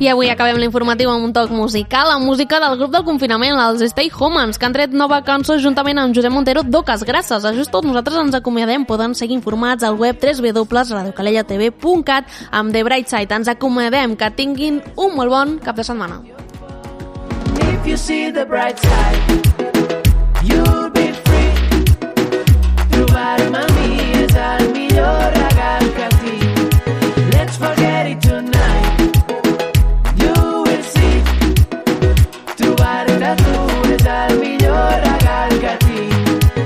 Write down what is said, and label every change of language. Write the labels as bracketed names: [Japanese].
[Catalan] I avui acabem l'informatiu amb un toc musical, amb música del grup del confinament, els Stay Humans, que han tret nova cançó juntament amb Josep Montero, Doques Grasses. A just tot, nosaltres ens acomiadem, poden seguir informats al web www.radiocalellatv.cat amb The Bright Side. Ens acomiadem, que tinguin un molt bon cap de setmana. [English] If you see the bright side, you'll be free. [Catalan] Trobar-me a mi és el millor regal que tinc. [English] Let's forget it tonight, you will see. [Catalan] Trobar-te tu és el millor regal que tinc.